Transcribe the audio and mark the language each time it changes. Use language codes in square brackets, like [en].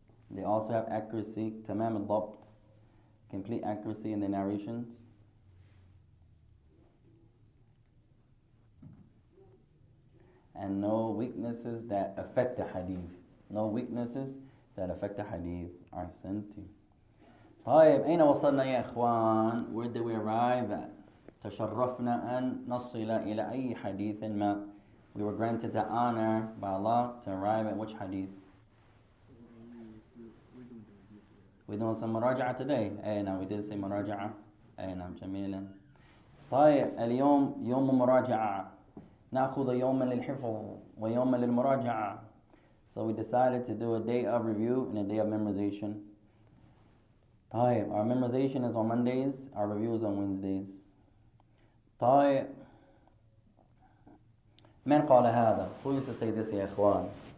[en] They also have accuracy. [ar] Tamam al-dabt. [en] Complete accuracy in the narrations. And no weaknesses that affect the hadith. No weaknesses that affect the hadith are sent to you. [ar] طيب أين وصلنا يا إخوان? [en] Where did we arrive at? [ar] تشرفنا أن نصل إلى أي حديث ما? [en] We were granted the honor by Allah to arrive at which hadith? We don't say مراجعة today. [ar] أين? [en] We did say مراجعة. [ar] أين? جميلا. طيب اليوم يوم مراجعة. نأخذ يوما للحفظ ويوما للمراجعة. [en] So we decided to do a day of review and a day of memorization. طيب, our memorization is on Mondays, our review is on Wednesdays. [ar] طيب, من قال هذا? [en] Who used to say this, [ar] يا إخوان?